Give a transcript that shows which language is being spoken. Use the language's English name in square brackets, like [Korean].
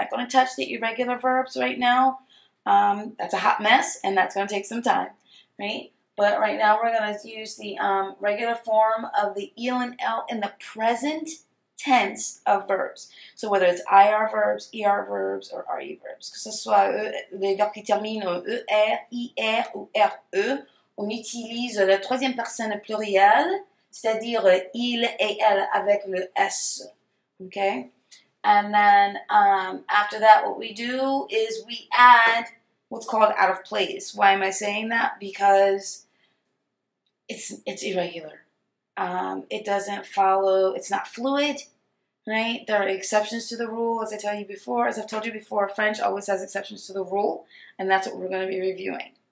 [English] We're not going to touch the irregular verbs right now. That's a hot mess, and that's going to take some time, right? But right now, we're going to use the regular form of the il and el in the present tense of verbs. So whether it's IR verbs, ER verbs, or RE verbs. [French] Que ce soit les verbes qui terminent en ER, IR ou RE, on utilise la troisième personne plurielle, c'est-à-dire il et elle avec le S, okay? [English] And then after that, what we do is we add what's called out of place. Why am I saying that? Because it's irregular. It doesn't follow, it's not fluid, right? There are exceptions to the rule, as I tell you before. As I've told you before, French always has exceptions to the rule, and that's what we're going to be reviewing.